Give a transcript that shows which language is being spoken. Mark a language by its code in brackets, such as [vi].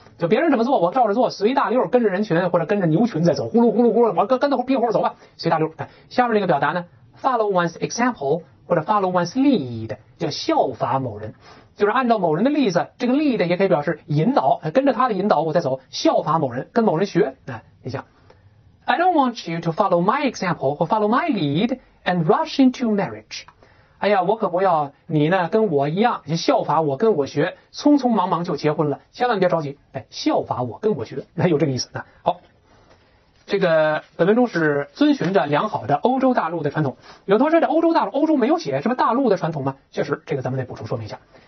[zh] 就别人怎么做，我照着做，随大溜，跟着人群或者跟着牛群在走，呼噜呼噜呼噜，我跟着屁股走吧，随大溜。下面这个表达呢 ， [en] follow one's example [zh] 或者 [en] follow one's lead， [zh] 叫效法某人，就是按照某人的例子。这个 lead 也可以表示引导，跟着他的引导我在走，效法某人，跟某人学。你想 [en] ，I don't want you to follow my example [zh] 或 [en] follow my lead and rush into marriage。 [zh] 哎呀，我可不要你呢跟我一样效法我跟我学，匆匆忙忙就结婚了，千万别着急，哎，效法我跟我学，那有这个意思。好，这个本文中是遵循着良好的欧洲大陆的传统。有同学说这欧洲大陆，欧洲没有写什么大陆的传统吗？确实，这个咱们得补充说明一下。